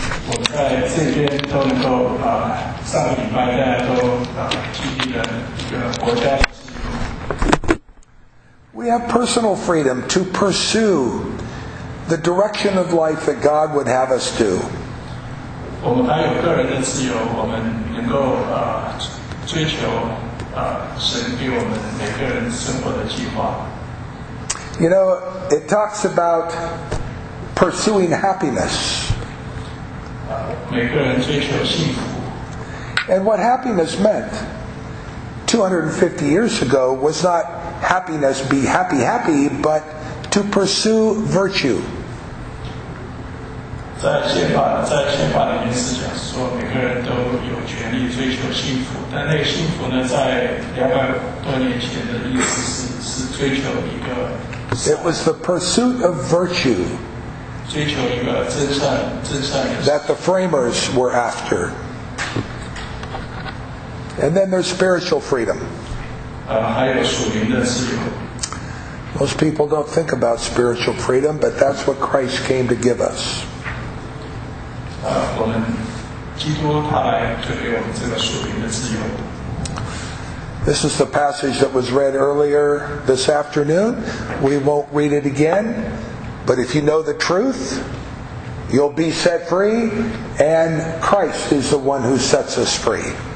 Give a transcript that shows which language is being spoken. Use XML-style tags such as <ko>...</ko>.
<zh>我在这边都能够上个礼拜大家都经历了一个国家的自由。</zh> <en>We have personal freedom to pursue the direction of life that God would have us do.</en> <zh>我们还有个人的自由，我们能够追求神给我们每个人生活的计划。</zh> <en>You know, it talks about pursuing happiness.</en> <zh>每个人追求幸福。</zh> <en>And what happiness meant 250 years ago was not happiness be happy happy, but to pursue virtue.</en> <zh>在宪法里面是讲说每个人都有权利追求幸福，但那个幸福呢，在200多年前的意思是追求一个。</zh> <en>It was the pursuit of virtue.</en> <zh>追求一个真善。</zh> <en>That the framers were after. And then there's spiritual freedom.</en> <zh>还有属灵的自由。</zh> <en>Most people don't think about spiritual freedom, but that's what Christ came to give us.</en> <zh>我们基督他来就给我们这个属灵的自由。</zh> <en>This is the passage that was read earlier this afternoon. We won't read it again, but if you know the truth, you'll be set free, and Christ is the one who sets us free.</en>